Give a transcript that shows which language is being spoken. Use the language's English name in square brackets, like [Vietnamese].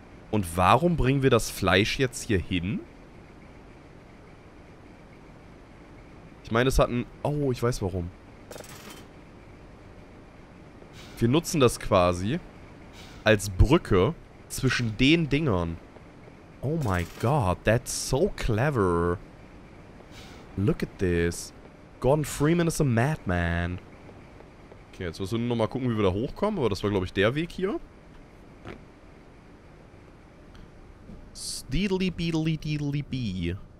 [German] Und warum bringen wir das Fleisch jetzt hier hin? Ich meine, es hat ein... Oh, ich weiß warum. Wir nutzen das quasi als Brücke zwischen den Dingern. [English] Oh my god, that's so clever. Look at this. Gordon Freeman is a madman. [German] Okay, jetzt müssen wir nochmal gucken, wie wir da hochkommen. Aber das war, glaube ich, der Weg hier. Steedly beedly deedly bee.